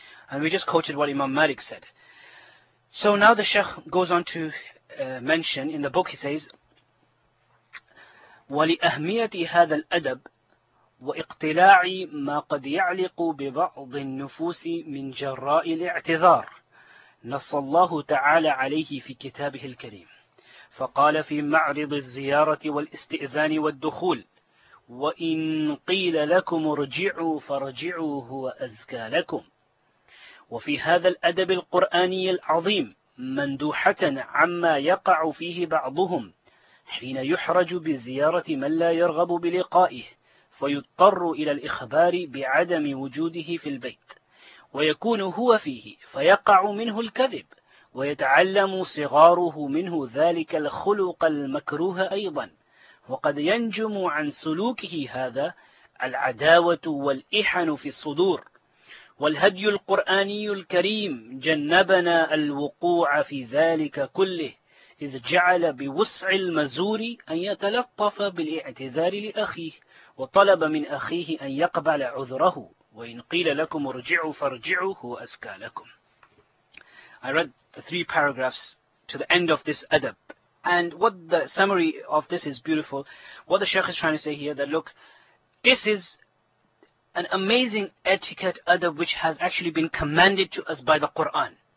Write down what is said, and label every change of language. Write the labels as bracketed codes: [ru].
[en] And we just quoted what Imam Malik said. So now the Sheikh goes on to mention in the book, he says, [ar] وَلِأَهْمِيَةِ هَذَا الْأَدَبِ واقتلاع ما قد يعلق ببعض النفوس من جراء الاعتذار نص الله تعالى عليه في كتابه الكريم، فقال في معرض الزيارة والاستئذان والدخول: وإن قيل لكم ارجعوا فارجعوا هو أزكى لكم. وفي هذا الأدب القرآني العظيم مندوحة عما يقع فيه بعضهم حين يحرج بزيارة من لا يرغب بلقائه، فيضطر إلى الإخبار بعدم وجوده في البيت ويكون هو فيه، فيقع منه الكذب ويتعلم صغاره منه ذلك الخلق المكروه أيضا، وقد ينجم عن سلوكه هذا العداوة والإحن في الصدور. والهدي القرآني الكريم جنبنا الوقوع في ذلك كله، إذ جعل بوسع المزور أن يتلطف بالاعتذار لأخيه، وطلب من أخيه أن يقبل عذره. وإن قيل لكم ارجعوا فارجعوا هو أزكى لكم. [en] I read the three paragraphs to the end of this adab. And what the summary of this is beautiful. What the Sheikh is trying to say here, that look, this is an amazing etiquette adab which has actually been commanded to us by the Quran.